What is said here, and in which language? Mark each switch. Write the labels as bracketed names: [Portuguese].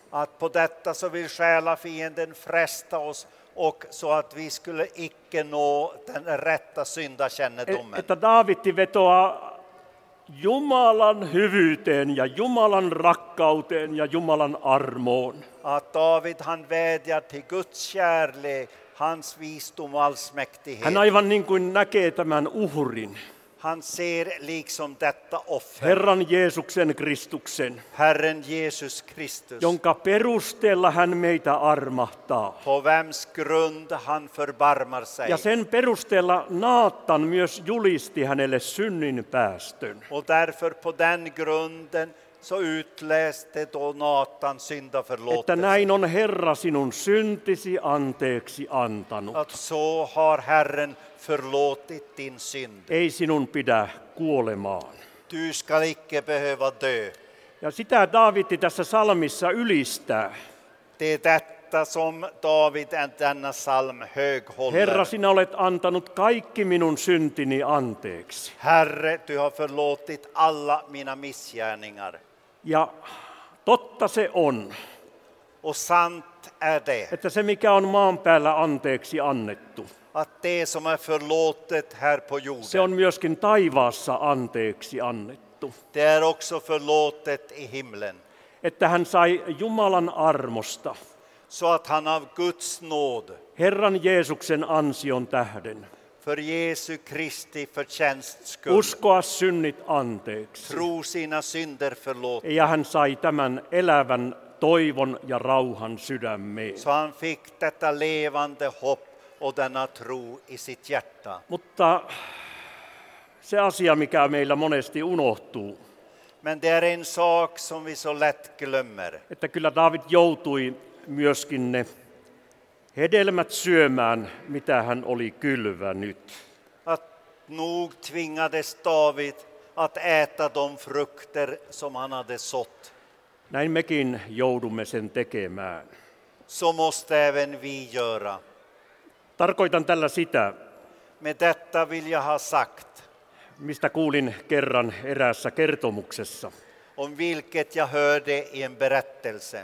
[Swedish] Att på detta så vill själa fienden frästa oss och så att vi skulle icke nå den rätta syndakännedomen. [Finnish] Että David vetoaa Jumalan hyvyyteen ja Jumalan rakkauteen ja Jumalan armoon. [Swedish] Att David han vädjar till Guds kärlek, hans visdom och allsmäktighet. [Finnish] Hän aivan niin kuin näkee tämän uhrin. [Swedish] Han ser liksom detta offer. [Finnish] Herran Jeesuksen Kristuksen. [Swedish] Herren Jesus Kristus. [Finnish] Jonka perusteella hän meitä armahtaa. [Swedish] På vems grund han förbarmar sig. [Finnish] Ja sen perusteella Naatan myös julisti hänelle synnin päästön. [Swedish] Och därför på den grunden så utläste då Naatan syndaförlåtelse. [Finnish] Että näin on Herra sinun syntisi anteeksi antanut. [Swedish] Att så har Herren förlåtit din synd. [Finnish] Ei sinun pidä kuolemaan. [Swedish] Du skall icke behöva dö. [Finnish] Ja sitä David tässä salmissa ylistää. [Swedish] Det är detta som David denna salm höghåller. [Finnish] Herra, sinä olet antanut kaikki minun syntini anteeksi. [Swedish] Herre, du har förlåtit alla mina missgärningar. [Finnish] Ja totta se on. [Swedish] Och sant är det. [Finnish] Että se mikä on maan päällä anteeksi annettu. [Swedish] Att det som är förlåtet här på jorden. [Finnish] Se on myöskin taivaassa anteeksi annettu. [Swedish] Det är också förlåtet i himlen. [Finnish] Että hän sai Jumalan armosta. [Swedish] Så att han av Guds nåd. [Finnish] Herran Jeesuksen ansion tähden. [Swedish] För Jesu Kristi förtjänst skull. [Finnish] Uskoa synnit anteeksi. [Swedish] Tro sina synder förlåtet. [Finnish] Ja hän sai tämän elävän toivon ja rauhan sydämeen. [Swedish] Så han fick detta levande hopp. Och denna tro i sitt hjärta. [Finnish] Mutta se asia, mikä meillä monesti unohtuu. [Swedish] Men det är en sak som vi så lätt glömmer. [Finnish] Että kyllä David joutui myöskin ne hedelmät syömään, mitä hän oli kylvänyt. [Swedish] Att nog tvingades David att äta de frukter som han hade sått. [Finnish] Näin mekin joudumme sen tekemään. [Swedish] Så måste även vi göra. [Finnish] Tarkoitan tällä sitä, [Swedish] med detta vill jag ha sagt, [Finnish] mistä kuulin kerran eräässä kertomuksessa. [Swedish] Om vilket jag hörde i en berättelse.